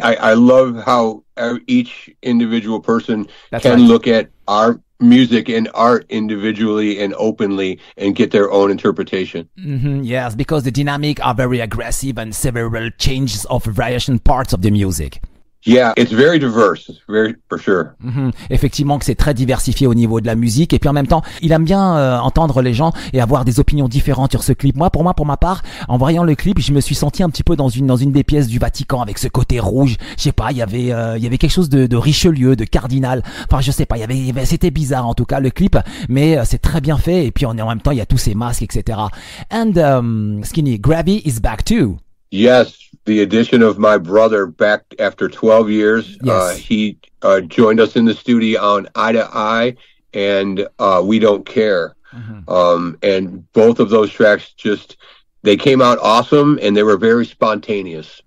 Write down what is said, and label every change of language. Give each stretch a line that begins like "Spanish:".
English: I love how each individual person that's can right. look at our music and art individually and openly and get their own interpretation. Mm-hmm, yes, because the dynamic are very aggressive and several changes of variation parts of the music. Yeah, it's very diverse, very for sure. Mm-hmm.
French: Effectivement, que c'est très diversifié au niveau de la musique, et puis en même temps, il aime bien entendre les gens et avoir des opinions différentes sur ce clip. Moi, pour ma part, en voyant le clip, je me suis senti un petit peu dans une des pièces du Vatican avec ce côté rouge. Je sais pas, il y avait quelque chose de Richelieu, de cardinal. Enfin, je sais pas, il y avait, c'était bizarre en tout cas le clip, mais c'est très bien fait. Et puis en même temps, il y a tous ces masques, etc.
English: And Skinny, Gravy is back too. Yes, the addition of my brother back after 12 years. Yes. He joined us in the studio on Eye to Eye and We Don't Care. Uh-huh. And both of those tracks they came out awesome and they were very spontaneous.